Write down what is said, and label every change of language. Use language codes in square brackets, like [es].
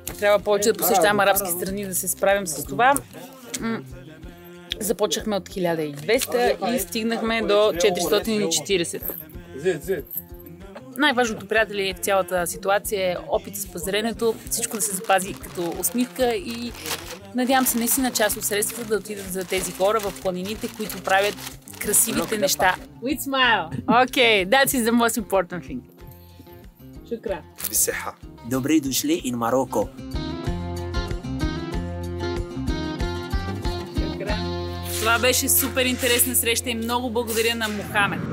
[bg] Трябва повече да посещавам арабски страни, да се справим с това. Започнахме от 1200 и стигнахме до 440. Най-важното, приятели, в цялата ситуация е опит с пазаренето, всичко да се запази като усмивка и надявам се наистина част от средствата да отидат за тези хора в планините, които правят красивите неща. [en] With smile. Okay, that is the most important thing. [ar] Шукра. Бисеха. [bg] Добре дошли [en] in Marocco. [ar] Шукра. [bg] Това беше супер интересна среща и много благодаря на Мохамед.